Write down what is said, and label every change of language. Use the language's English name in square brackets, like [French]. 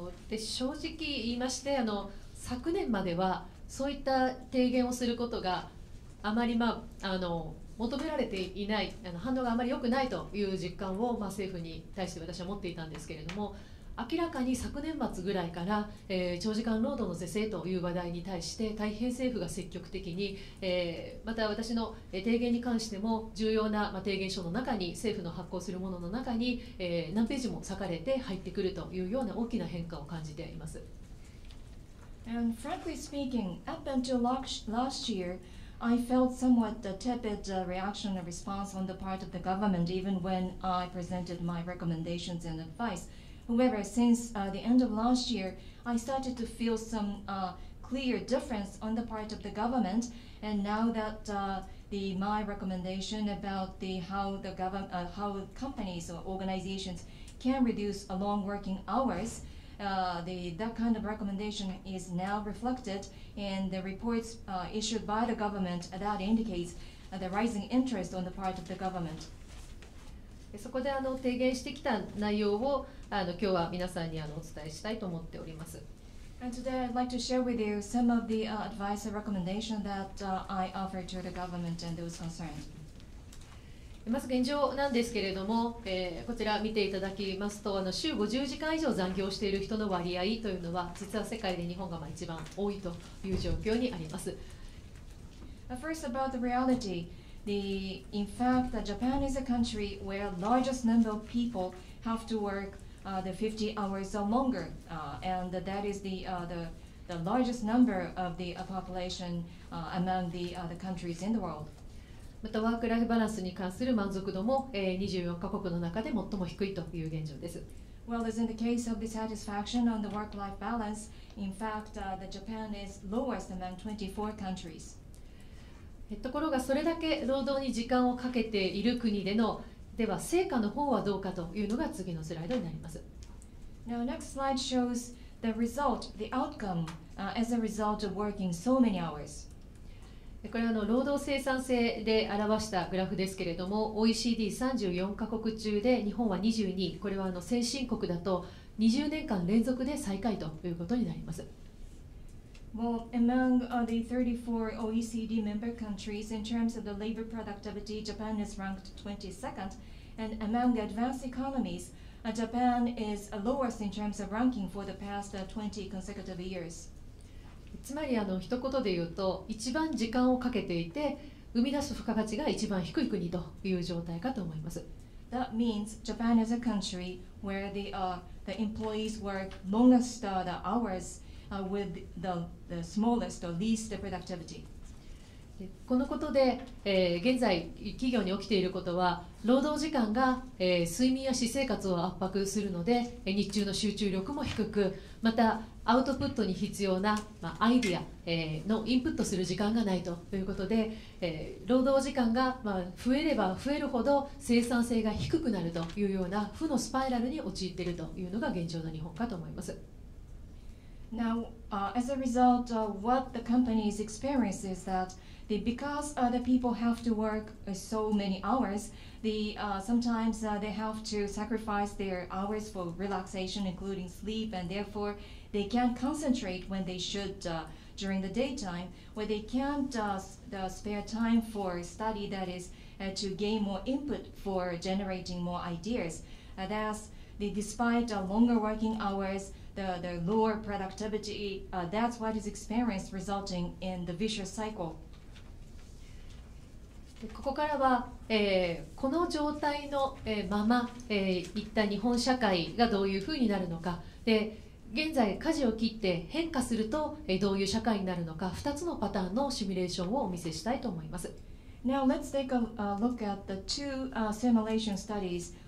[Japanese] で、正直言いまして、昨年まではそういった提言をすることがあまり求められていない、反応があまり良くないという実感を、政府に対して私は持っていたんですけれども、明らかに昨年末ぐらいから、長時間労働の是正という話題に対して大変政府が積極的に、また私の提言に関しても重要な、提言書の中に、政府の発行するものの中に、何ページも割かれて入ってくるというような大きな変化を感じています。 [English] And frankly speaking, up until last yearI felt somewhat a tepid reaction and response on the part of the government, even when I presented my recommendations and advice. However, since the end of last year, I started to feel some clear difference on the part of the government. And now that my recommendation about how companies or organizations can reduce long working hours,that kind of recommendation is now reflected in the reports issued by the government that indicates the rising interest on the part of the government. [Japanese] そこで提言してきた内容を今日は皆さんにお伝えしたいと思っております。 [English] And today I'd like to share with you some of the advice and recommendation that I offer to the government and those concerned. [Japanese] まず現状なんですけれども、こちら見ていただきますと、週50時間以上残業している人の割合というのは、実は世界で日本が一番多いという状況にあります。 [English] First, about the reality. In fact, Japan is a country where the largest number of people have to work the 50 hours or longer, and that is the largest number of the population among the countries in the world. [Japanese] またワークライフバランスに関する満足度も24カ国の中で最も低いという現状です。 [English] Well, as in the case of the satisfaction on the work-life balance, in fact, the Japan is lowest among 24 countries. [Japanese] ところが、それだけ労働に時間をかけている国での、では成果の方はどうかというのが次のスライドになります。 [English] Now, next slide shows the result, the outcome, as a result of working so many hours. [Japanese] これは労働生産性で表したグラフですけれども、OECD34 カ国中で日本は22位、これは先進国だと20年間連続で最下位ということになります。 [English] Well, among the 34 OECD member countries, in terms of the labor productivity, Japan is ranked 22nd. And among advanced economies, Japan is lowest in terms of ranking for the past 20 consecutive years. [Japanese] つまり一言で言うと、一番時間をかけていて、生み出す付加価値が一番低い国という状態かと思います。 [English] That means Japan is a country where the employees work longest the hours with the smallest or least productivity. [Japanese] このことで、現在企業に起きていることは、労働時間が、睡眠や私生活を圧迫するので、日中の集中力も低く、またアウトプットに必要な、アイディア、のインプットする時間がないということで、労働時間が、増えれば増えるほど生産性が低くなるというような負のスパイラルに陥っているというのが現状の日本かと思います。 [English] Now, as a result, what the company's experience is that because the people have to work so many hours, sometimes they have to sacrifice their hours for relaxation, including sleep, and therefore they can't concentrate when they should during the daytime, where they can't spare time for study, that is, to gain more input for generating more ideas. Thus, despite longer working hours, the lower productivity, that's what is experienced, resulting in the vicious cycle. [Japanese] ここからは、この状態の、まま、一体日本社会がどういうふうになるのか、で現在舵を切って変化すると、どういう社会になるのか、2つのパターンのシミュレーションをお見せしたいと思います。 [English] Now let's take a look at the two simulation studies.